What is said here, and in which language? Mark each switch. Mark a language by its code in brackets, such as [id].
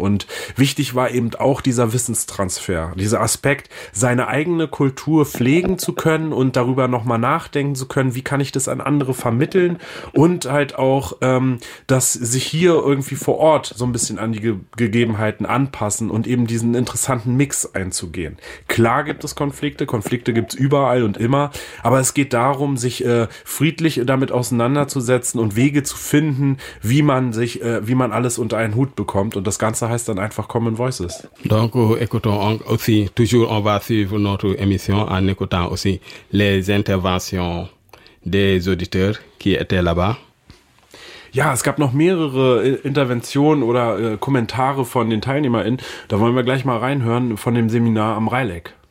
[de] Und wichtig war eben auch dieser Wissenstransfer, dieser Aspekt, seine eigene Kultur pflegen zu können und darüber nochmal nachdenken zu können, wie kann ich das an andere vermitteln und halt auch, dass sich hier irgendwie vor Ort so ein bisschen an die Gegebenheiten anpassen und eben diesen interessanten Mix einzugehen. Klar gibt es Konflikte gibt es überall und immer, aber es geht darum, sich friedlich damit auseinanderzusetzen und Wege zu finden, wie man sich, wie man alles unter einen Hut bekommt und das Ganze heißt dann einfach Common Voices. Danke, [fr] écoutons aussi toujours. On va suivre notre émission en écoutant aussi les interventions des auditeurs qui étaient là-bas. [de] Ja, es gab noch mehrere Interventionen oder Kommentare von den TeilnehmerInnen. Da wollen wir gleich mal reinhören von dem Seminar am Reileck.